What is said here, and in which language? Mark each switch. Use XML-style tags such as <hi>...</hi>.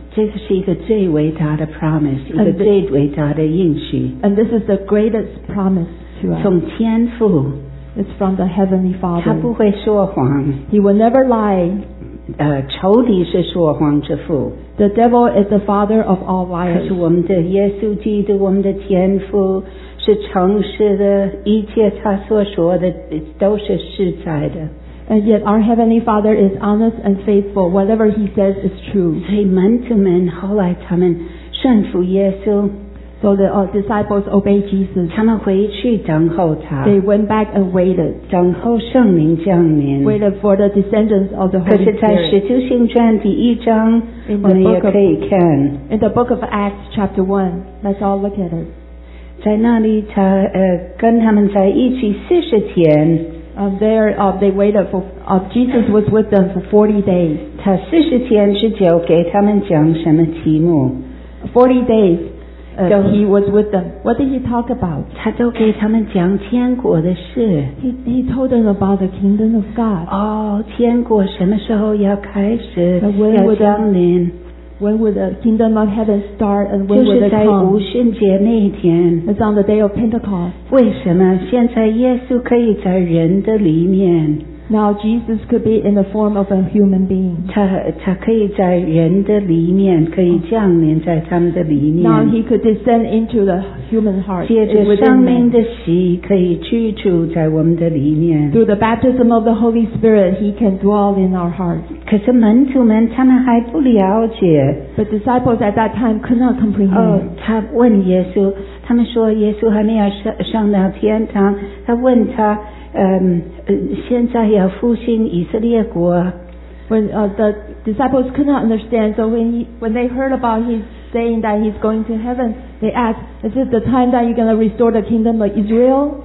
<zh>这是一个最伟大的 promise, 一个最伟大的应许。</zh> <en>And this is the greatest promise to us.</en> <zh>从天父。</zh> <en>It's from the Heavenly Father.</en> <zh>他不会说谎。</zh> <en>He will never lie.</en> <zh>仇敌是说谎之父。</zh> <en>The devil is the father of all liars.</en> <zh>可是我们的耶稣基督，我们的天父是诚实的，一切他所说的都是实在的。</zh> <en>And yet our Heavenly Father is honest and faithful. Whatever he says is true.</en> <zh>所以门徒们后来他们顺服耶稣。</zh> <en>So the disciples obeyed Jesus.</en> <zh>他们回去等候他。</zh> <en>They went back and waited.</en> <zh>等候圣灵降临。</zh> <en>Waited for the descendants of the Holy Spirit.</en> <zh>可是在使徒行传第一章，我们也可以看。</zh> <en>In the book of Acts, chapter 1, let's all look at it.</en> <zh>在那里他跟他们在一起四十天。</zh> <en>Jesus was with them for 40 days.</en> <zh>他四十天之久给他们讲什么题目？</zh> <en>40 days. He was with them. What did he talk about?</en> <zh>他都给他们讲天国的事。</zh> <en>He told them about the kingdom of God.</en> <zh>Oh, 天国什么时候要开始？</zh> <en>When would the kingdom of heaven start and when would it come?</en> <zh>就是在五旬节那一天。</zh> <en>It's on the day of Pentecost.</en> <zh>为什么现在耶稣可以在人的里面？</zh> <en>Now Jesus could be in the form of a human being.</en> <zh>他可以在人的里面，可以降临在他们的里面。</zh> <en>Now he could descend into the human heart.</en> <zh>借着生命的洗，可以居住在我们的里面。</zh> <en>Through the baptism of the Holy Spirit, he can dwell in our hearts.</en> <zh>可是门徒们他们还不了解。</zh> <en>But disciples at that time could not comprehend.</en> <zh>他问耶稣，他们说耶稣还没有上到天堂，他问他。现在要复兴以色列国。</zh> <en>When the disciples could not understand, so when they heard about his saying that he's going to heaven, they asked, "Is it the time that you're going to restore the kingdom of Israel?"</en>